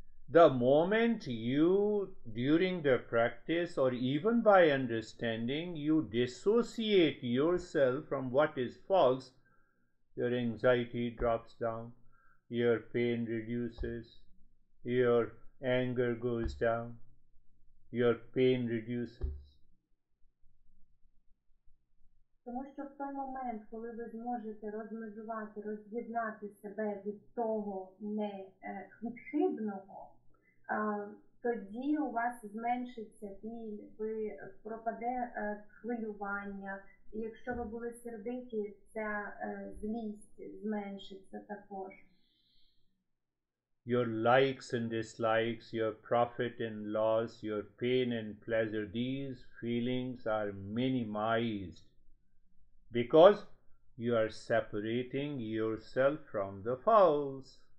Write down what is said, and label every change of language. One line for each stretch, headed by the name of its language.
English: The moment you, during the practice or even by understanding, you dissociate yourself from what is false, your anxiety drops down, your pain reduces, your anger goes down, your pain reduces.
Ukrainian: Тому що в той момент, коли ви зможете розмежувати, роз'єднати себе від того хибного, тоді у вас зменшиться біль, ви пропаде хвилювання. І якщо ви були сердиті, ця злість зменшиться також.
English: Your likes and dislikes, your profit and loss, your pain and pleasure, these feelings are minimized because you are separating yourself from the false.